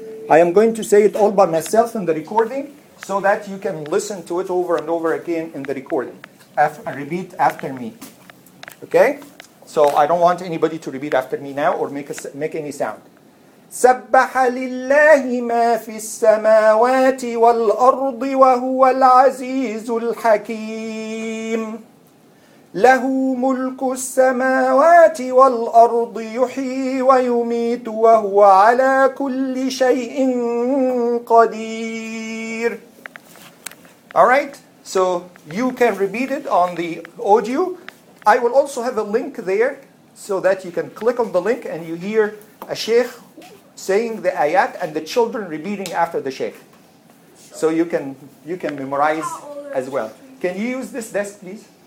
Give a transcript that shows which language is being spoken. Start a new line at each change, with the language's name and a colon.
English: I am going to say it all by myself in the recording so that you can listen to it over and over again in the recording. Repeat after me. Okay? So I don't want anybody to repeat after me now or make any sound.
Arabic: سبح لله ما في السماوات والأرض وهو العزيز الحكيم. له ملك السماوات والأرض يحيي ويميت وهو على كل شيء قدير.
English: Alright, so you can repeat it on the audio. I will also have a link there so that you can click on the link and you hear a sheikh saying the ayat and the children repeating after the sheikh. So you can memorize as well. Can you use this desk, please?